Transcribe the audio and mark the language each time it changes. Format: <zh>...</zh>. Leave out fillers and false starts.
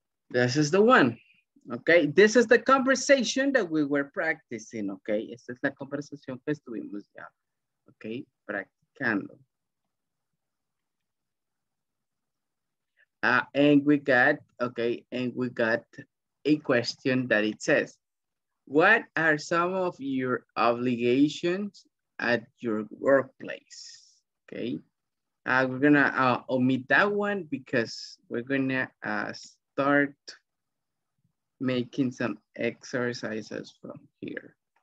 <en>This is the one, okay? This is the conversation that we were practicing, okay?</en> <es>Esta es la conversación que estuvimos ya, okay? Practicando.</es> <en>And we got a question that it says, what are some of your obligations at your workplace? Okay, we're gonna omit that one because we're gonna start making some exercises from here.</en>